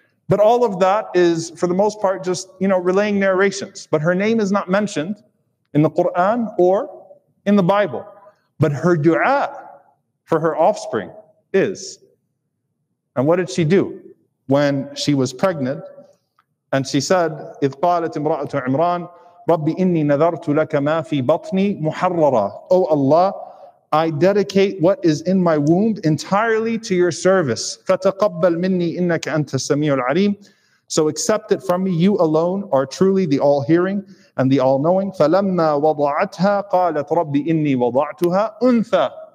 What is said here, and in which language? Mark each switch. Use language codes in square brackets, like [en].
[en] But all of that is, for the most part, just, you know, relaying narrations. But her name is not mentioned in the Quran or in the Bible. But her dua for her offspring is. And what did she do when she was pregnant? And she said, [ar] إِذْ قَالَتْ إِمْرَأَةُ عِمْرَانَ رَبِّ إِنِّي نَذَرْتُ لَكَ مَا فِي بَطْنِي مُحَرَّرًا. [en] O Allah, I dedicate what is in my womb entirely to your service. [ar] فَتَقَبَّلْ مِنِّي إِنَّكَ أَنْتَ السَّمِيعُ الْعَلِيمُ. [en] So accept it from me. You alone are truly the all-hearing and the all-knowing. [ar] فَلَمَّا وَضَعَتْهَا قَالَتْ رَبِّ إِنِّي وَضَعْتُهَا أُنْثَى.